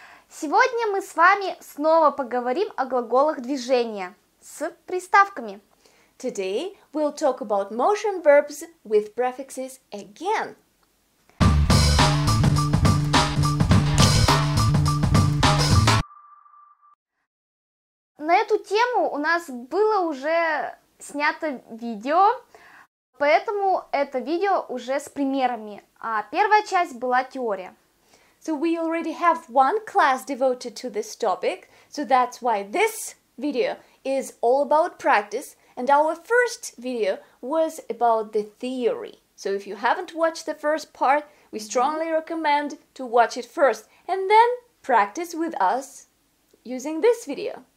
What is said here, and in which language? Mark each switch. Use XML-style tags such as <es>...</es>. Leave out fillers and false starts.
<ru>Сегодня мы с вами снова поговорим о глаголах движения с приставками.</ru> <en>Today we'll talk about motion verbs with prefixes again.</en> <ru>На эту тему у нас было уже снято видео, поэтому это видео уже с примерами. А первая часть была теория.</ru> <en>So we already have one class devoted to this topic, so that's why this video is all about practice, and our first video was about the theory. So if you haven't watched the first part, we strongly recommend to watch it first, and then practice with us using this video.</en>